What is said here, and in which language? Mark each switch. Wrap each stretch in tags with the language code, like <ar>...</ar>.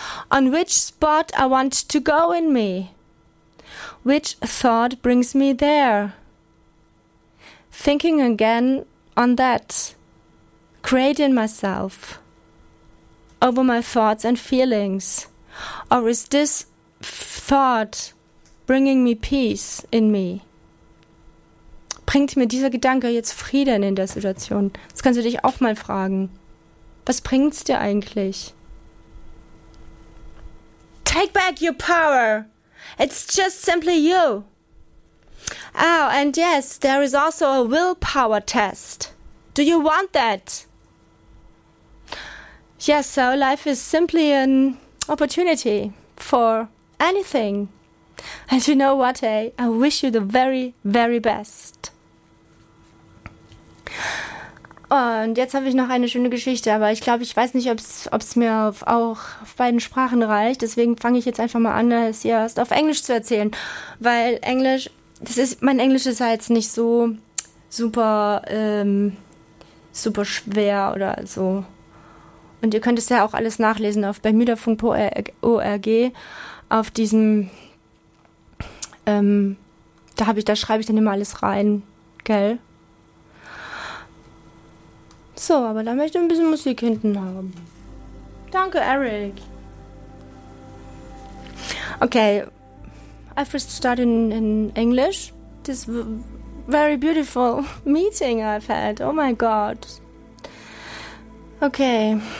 <en>On which spot I want to go in me? Which thought brings me there? Thinking again on that, creating myself over my thoughts and feelings, or is this thought bringing me peace in me?</en> <de>Bringt mir dieser Gedanke jetzt Frieden in der Situation? Das kannst du dich auch mal fragen. Was bringt's dir eigentlich?</de> <en>Take back your power. It's just simply you. Oh, and yes, there is also a willpower test. Do you want that? Yes, so life is simply an opportunity for anything. And you know what, eh? I wish you the very, very best.</en> <de>Und jetzt habe ich noch eine schöne Geschichte, aber ich glaube, ich weiß nicht, ob's mir auf beiden Sprachen reicht. Deswegen fange ich jetzt einfach mal an, es erst auf Englisch zu erzählen. Weil Englisch, mein Englisch ist halt nicht so super, super schwer oder so. Und ihr könnt es ja auch alles nachlesen auf bermudafunk.org, auf diesem, da schreibe ich dann immer alles rein, gell? So, aber da möchte ich ein bisschen Musik hinten haben. Danke, Eric.</de> <en>Okay, I first started in English. This very beautiful meeting I've had. Oh my God. Okay.</en>